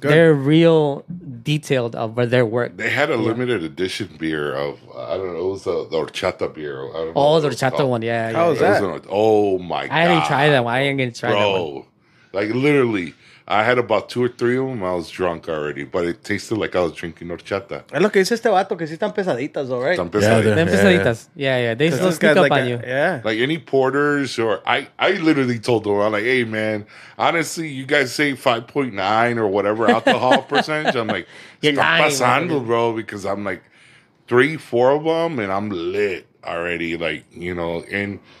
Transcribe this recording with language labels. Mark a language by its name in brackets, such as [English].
[English] They're real detailed of where their work. They had a limited edition beer of, I don't know, it was the horchata beer. I don't know the horchata one, yeah. How was that? Oh my God. I didn't try that one. I ain't gonna try that one. Like, literally, I had about two or three of them. I was drunk already, but it tasted like I was drinking horchata. [Spanish] Es lo que dice este vato, que sí están pesaditas, [English] though, right? [Spanish] Están pesaditas. [English] Yeah. They still stick up on you. Yeah. Like any porters or I literally told them, I'm like, hey, man, honestly, you guys say 5.9 or whatever alcohol percentage. I'm like, [Spanish] están [English] pasando, bro, because I'm like three, four of them, and I'm lit already, like, you know, and...